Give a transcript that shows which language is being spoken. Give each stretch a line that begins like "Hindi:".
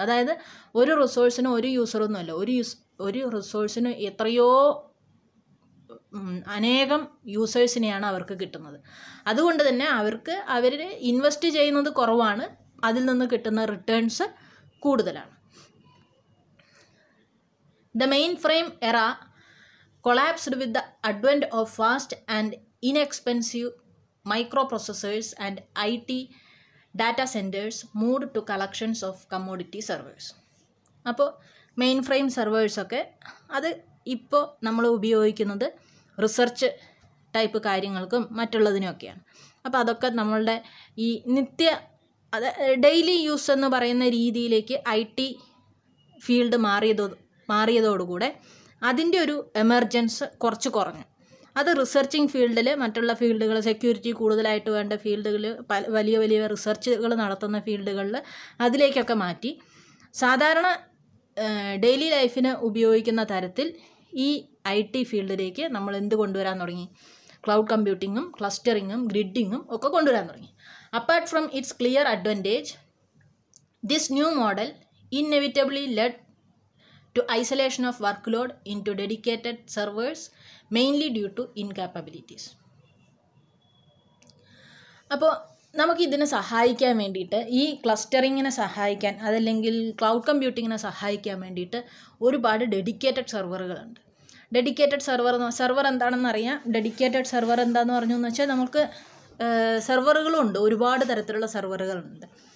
Malayalam: അതായത് ഒരു റിസോഴ്സിന് ഒരു യൂസറൊന്നുമല്ല, ഒരു റിസോഴ്സിന് എത്രയോ അനേകം യൂസേഴ്സിനെയാണ് അവർക്ക് കിട്ടുന്നത്. അതുകൊണ്ട് തന്നെ അവർക്ക് അവർ ഇൻവെസ്റ്റ് ചെയ്യുന്നത് കുറവാണ്, അതിൽ നിന്ന് കിട്ടുന്ന റിട്ടേൺസ് കൂടുതലാണ്.
English: The mainframe era collapsed with the advent of fast and inexpensive microprocessors and IT data centers moved to collections of commodity servers.
Malayalam: Appo mainframe servers okke adu ippo nammal ubhayikkunnathu research type karyangalkkum mattulladine okke aanu. Appo adokke nammalde ee nithya daily use ennu parayna reethiyilekku IT field മാറിയതോടുകൂടെ അതിൻ്റെ ഒരു emergence കുറച്ച് കുറഞ്ഞു. അത് researching ഫീൽഡിൽ, മറ്റുള്ള ഫീൽഡുകൾ, security കൂടുതലായിട്ട് വേണ്ട ഫീൽഡുകളിൽ, വലിയ വലിയ റിസർച്ചുകൾ നടത്തുന്ന ഫീൽഡുകളിൽ, അതിലേക്കൊക്കെ മാറ്റി. സാധാരണ ഡെയിലി ലൈഫിന് ഉപയോഗിക്കുന്ന തരത്തിൽ ഈ IT ഫീൽഡിലേക്ക് നമ്മൾ എന്ത് കൊണ്ടുവരാൻ തുടങ്ങി? ക്ലൗഡ് കമ്പ്യൂട്ടിങ്ങും ക്ലസ്റ്ററിങ്ങും ഗ്രിഡിങ്ങും ഒക്കെ കൊണ്ടുവരാൻ തുടങ്ങി.
English: Apart from its clear advantage, this new model inevitably led to isolation of workload into dedicated servers mainly due to incapabilities.
Malayalam: അപ്പോൾ നമുക്ക് ഇതിനെ സഹായിക്കാൻ വേണ്ടിയിട്ട്, ഈ ക്ലസ്റ്ററിങ്ങിനെ സഹായിക്കാൻ, അതല്ലെങ്കിൽ ക്ലൗഡ് കമ്പ്യൂട്ടിങ്ങിനെ സഹായിക്കാൻ വേണ്ടിയിട്ട് ഒരുപാട് ഡെഡിക്കേറ്റഡ് സെർവറുകളുണ്ട്. ഡെഡിക്കേറ്റഡ് സെർവർ എന്താണെന്ന് അറിയാം. ഡെഡിക്കേറ്റഡ് സെർവർ എന്താണെന്ന് പറഞ്ഞു എന്ന് വെച്ചാൽ, നമുക്ക് സെർവറുകളുണ്ട്, ഒരുപാട് തരത്തിലുള്ള സെർവറുകളുണ്ട്.